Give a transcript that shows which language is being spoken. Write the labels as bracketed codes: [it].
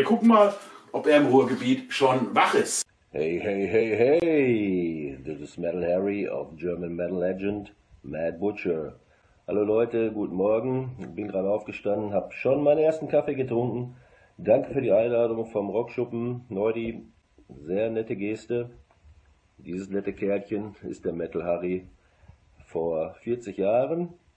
[de] Wir gucken mal, ob er im Ruhrgebiet schon wach ist. [en] Hey, hey, hey, hey, this is Metal Harry of German Metal Legend, Mad Butcher. [de] Hallo Leute, guten Morgen, ich bin gerade aufgestanden, habe schon meinen ersten Kaffee getrunken. Danke für die Einladung vom Rockschuppen, Neudi, sehr nette Geste. Dieses nette Kerlchen ist der Metal Harry vor 40 Jahren.